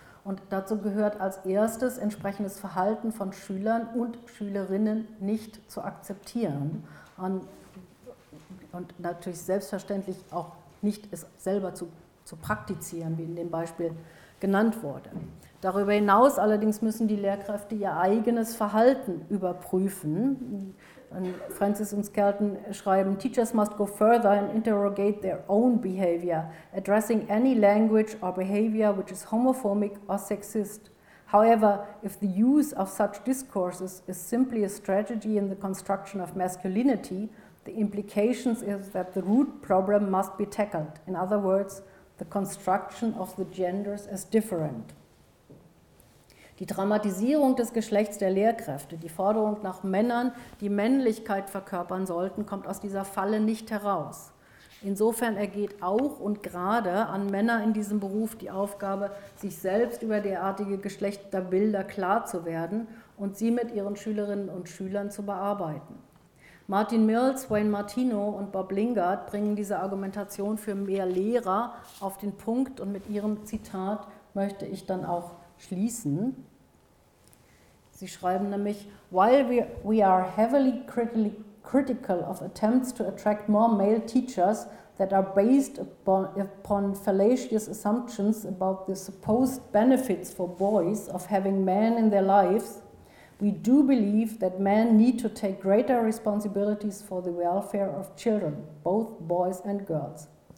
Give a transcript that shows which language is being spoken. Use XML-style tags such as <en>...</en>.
<de>Und dazu gehört als erstes, entsprechendes Verhalten von Schülern und Schülerinnen nicht zu akzeptieren und natürlich selbstverständlich auch nicht es selber zu praktizieren, wie in dem Beispiel genannt wurde. Darüber hinaus allerdings müssen die Lehrkräfte ihr eigenes Verhalten überprüfen. Francis und Skelton schreiben,</de> <en>"Teachers must go further and interrogate their own behavior, addressing any language or behavior which is homophobic or sexist. However, if the use of such discourses is simply a strategy in the construction of masculinity, the implications is that the root problem must be tackled. In other words, the construction of the genders is different."</en> <de>Die Dramatisierung des Geschlechts der Lehrkräfte, die Forderung nach Männern, die Männlichkeit verkörpern sollten, kommt aus dieser Falle nicht heraus. Insofern ergeht auch und gerade an Männer in diesem Beruf die Aufgabe, sich selbst über derartige Geschlechterbilder klar zu werden und sie mit ihren Schülerinnen und Schülern zu bearbeiten. Martin Mills, Wayne Martino und Bob Lingard bringen diese Argumentation für mehr Lehrer auf den Punkt und mit ihrem Zitat möchte ich dann auch schließen. Sie schreiben nämlich,</de> <en>"While we are heavily critical of attempts to attract more male teachers that are based upon fallacious assumptions about the supposed benefits for boys of having men in their lives, we do believe that men need to take greater responsibilities for the welfare of children, both boys and girls.</en>